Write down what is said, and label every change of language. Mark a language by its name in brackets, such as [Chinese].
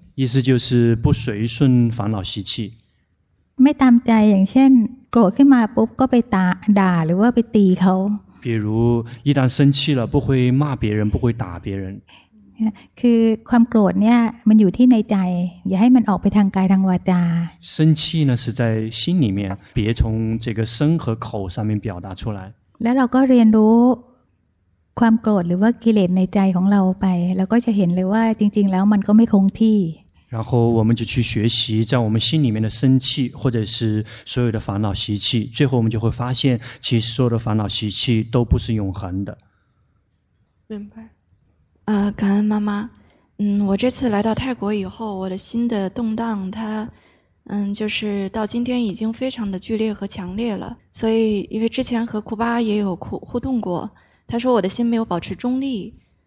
[Chinese] 意思就是不随顺烦恼习气 [Thai] ไม่ตามใจอย่างเช่นโกรธขึ้นมาปุ๊บก็ไปด่าหรือว่าไปตีเขา [Chinese] 比如一旦生气了不会骂别人不会打别人 [Thai] คือความโกรธเนี่ยมันอยู่ที่ในใจอย่าให้มันออกไปทางกายทางวาจา [Chinese] 生气呢是在心里面别从这个身和口上面表达出来 [Thai] แล้วเราก็เรียนรู้ความโกรธหรือว่ากิเลสในใจของเราไปแล้วก็จะเห็นเลยว่าจริงๆแล้วมันก็ไม่คงที่ [Chinese] 然后我们就去学习在我们心里面的生气或者是所有的烦恼习气最后我们就会发现其实所有的烦恼习气都不是永恒的明白感恩妈妈我这次来到泰国以后我的心的动荡它就是到今天已经非常的剧烈和强烈了所以因为之前和库巴也有互动过他说我的心没有保持中立